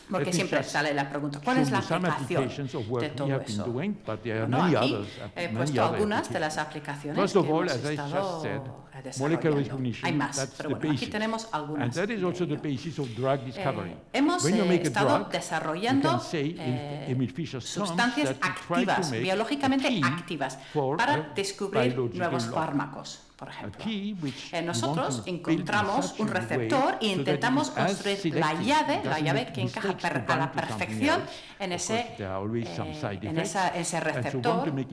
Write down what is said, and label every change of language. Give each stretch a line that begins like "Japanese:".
Spanish: Porque siempre sale la pregunta, ¿cuál es la aplicación de todo eso?
English: Doing,
Spanish: bueno, aquí he puesto algunas de las aplicaciones
English: First
Spanish: que hemos estado desarrollando. Hay más, pero bueno, aquí tenemos algunas.
English: And that is also the basis of drug discovery.
Spanish: Hemos estado
English: drug,
Spanish: desarrollando sustancias activas, biológicamente activas, para descubrir nuevos fármacos. Por ejemplo, nosotros encontramos un receptor e intentamos construir la llave que encaja a la perfección en ese receptor.